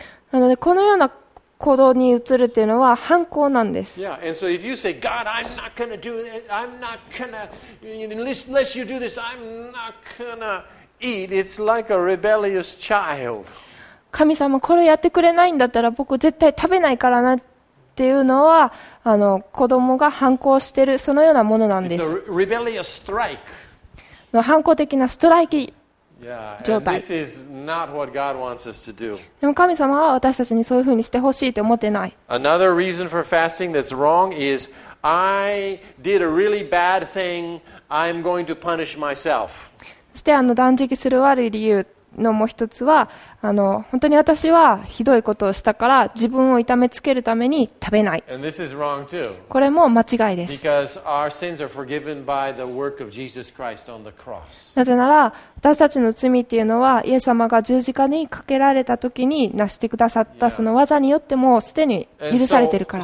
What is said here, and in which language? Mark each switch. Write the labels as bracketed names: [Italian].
[Japanese] なので、このような行動に移るというのは反抗なんです。 [English] Yeah. And so if you say, God, I'm not gonna do it, I'm not gonna, unless you do this, I'm not gonna. It's like、a rebellious child. [Japanese] 神様これやってくれないんだったら僕絶対食べないからなっていうのは子供が反抗してるそのようなものなんです。 [English] It's a rebellious strike. [Japanese] の反抗的なストライキ状態。 [English] Yeah, and this is not what God wants us to do. [Japanese] でも神様は私たちにそういうふうにしてほしいと思ってない。 [English] Another reason for fasting that's wrong is I did a really bad thing. I'm going to punish myself. [Japanese] そして断食する悪い理由のもう一つは本当に私はひどいことをしたから自分を痛めつけるために食べない。これも間違いです。 [English] Because our sins are forgiven by the work of Jesus Christ on the cross. [Japanese] なぜなら私たちの罪っていうのはイエス様が十字架にかけられた時に成してくださったその技によってもすでに許されているから。